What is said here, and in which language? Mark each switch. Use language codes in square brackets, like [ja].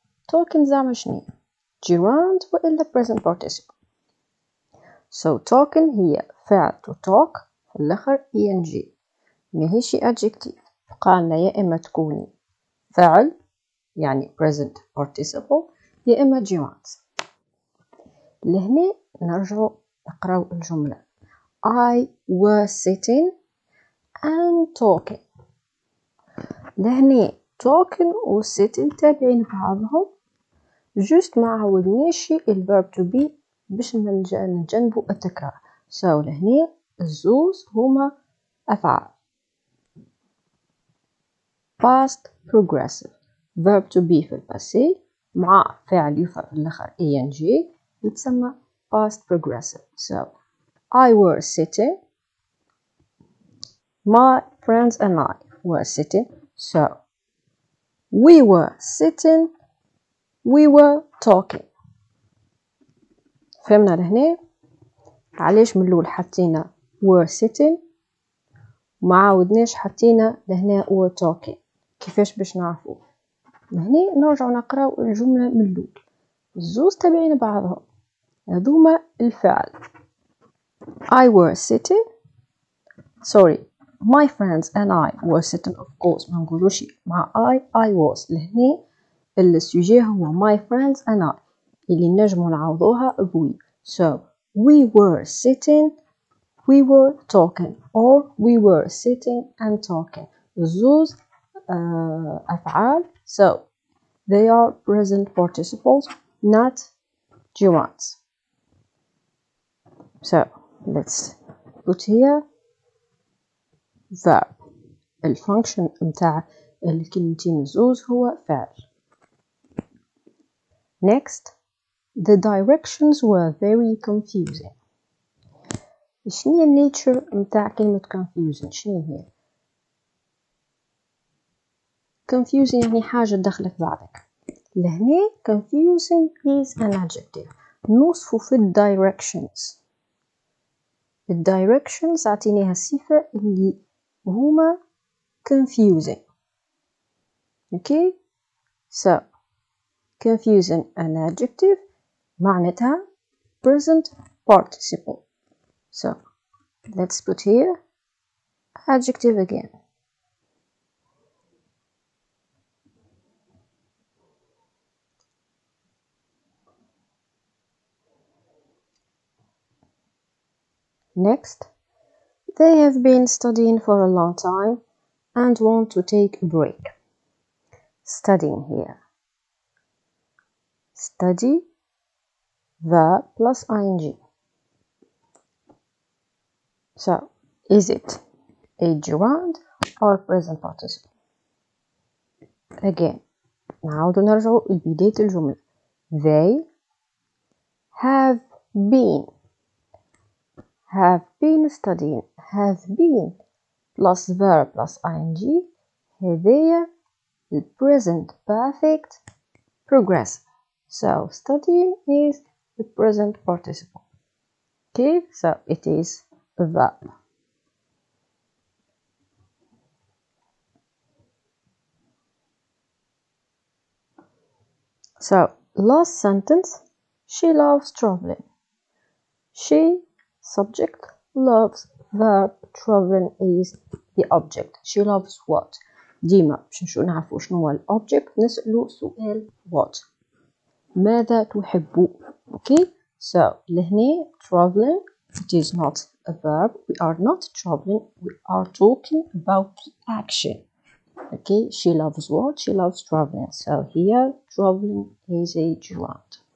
[ar] Talking زعما شنو؟ gerund وإلا present participle. So talking هي فعل to talk في الآخر ing. ماهيش adjective. قالنا يا إما تكوني فعل يعني present participle يا إما gerund. لهني نرجعوا نقراو الجملة. [en] I was sitting and talking. [ar] لهني talking و sitting تابعين بعضهم. Just ما عودنيشي الverb to be باش نجنبو التكرار. So لهني الزوز هما أفعال. [en] Past progressive. [ar] Verb to be في الباسي مع فعل يفعل الأخر ing يتسمى past progressive. [en] So I were sitting, my friends and I were sitting, so we were sitting, we were talking. [ar] فهمنا لهنا؟ علاش من الأول حطينا were sitting وما عاودناش حطينا لهنا were talking؟ كيفاش باش نعرفو؟ لهنا نرجع نقراو الجملة من الأول. الزوز تابعين بعضهم، هذوما الفعل. [en] I were sitting, sorry, my friends and I were sitting, of course, [ar] ما نقولوش مع [en] I was. [ar] لهنا السوجي هو my friends and I اللي نجمو نعوضوها بوي. [en] So we were sitting, we were talking, or we were sitting and talking. [ar] زوز أفعال. [en] So they are present participles, not gerunds. So let's put here verb. [ar] الفانكشن متاع الكلمتين زوز هو فعل. [en] Next, the directions were very confusing. [ar] شنو النيتشر متاع كلمة confusing؟ شنو هي؟ confusing يعني حاجة دخلت بعضك. لهني [en] confusing is an adjective. [ar] نوصف في directions. Directions عطينيها صفة اللي هما confusing. [en] Okay, so confusing an adjective معناتها present participle. So let's put here adjective again. Next, they have been studying for a long time and want to take a break. Studying here. Study, the plus ing. So, is it a gerund or present participle? [ar] Again, نعود نرجع لبداية الجملة. [en] They have been. Have been studying. Have been plus verb plus ing. [ar] هذايا present perfect progressive. [en] So studying is the present participle. Okay, so it is a verb. So last sentence. She loves traveling. She subject loves verb traveling is the object. She loves what? [ar] ديما باش نشوف نعرفوا شنو هو الاوبجيكت نسالوا سؤال what. ماذا تحب؟ اوكي سو لهنا traveling [en] it is not a verb. We are not traveling, we are talking about the action. Okay, she loves what? She loves traveling. So here traveling is a gerund.